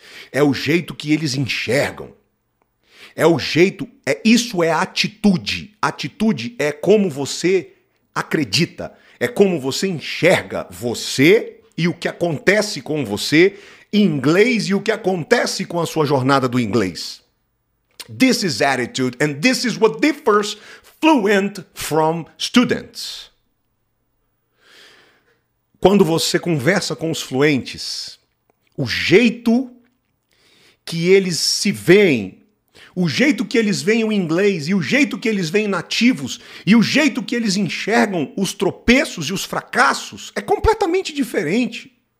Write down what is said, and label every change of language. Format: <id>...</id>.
<pt>É o jeito que eles enxergam. É o jeito, isso é atitude. Atitude é como você acredita, é como você enxerga você e o que acontece com você em inglês e o que acontece com a sua jornada do inglês.</pt> <en>This is attitude and this is what differs fluent from students.</en> <pt>Quando você conversa com os fluentes, o jeito que eles se veem, o jeito que eles veem o inglês e o jeito que eles veem nativos e o jeito que eles enxergam os tropeços e os fracassos é completamente diferente.</pt>